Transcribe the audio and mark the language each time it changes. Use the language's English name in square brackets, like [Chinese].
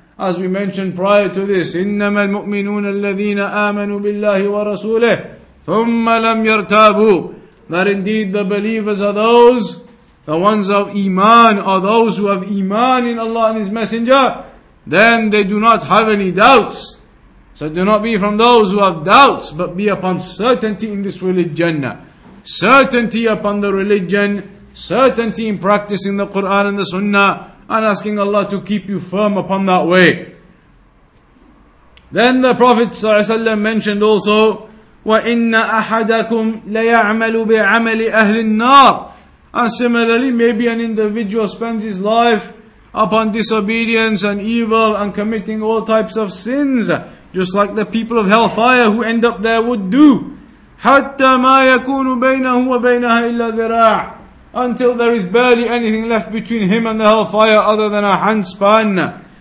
[English] As we mentioned prior to this, [Arabic] إِنَّمَا الْمُؤْمِنُونَ الَّذِينَ آمَنُوا بِاللَّهِ وَرَسُولِهِ ثُمَّ لَمْ يَرْتَابُوا, [English] that indeed the believers are those, the ones of iman, are those who have iman in Allah and His Messenger, then they do not have any doubts. So do not be from those who have doubts, but be upon certainty in this religion. Certainty upon the religion, certainty in practicing the Qur'an and the Sunnah, and asking Allah to keep you firm upon that way. Then the Prophet ﷺ mentioned also, [Arabic] وَإِنَّ أَحَدَكُمْ لَيَعْمَلُ بِعَمَلِ أَهْلِ النَّارِ. [English] And similarly, maybe an individual spends his life upon disobedience and evil and committing all types of sins, just like the people of hellfire who end up there would do. [Arabic] حَتَّى مَا يَكُونُ بَيْنَهُ وَبَيْنَهَا إِلَّا ذِرَاعٌ, [English] until there is barely anything left between him and the hellfire other than a handspan.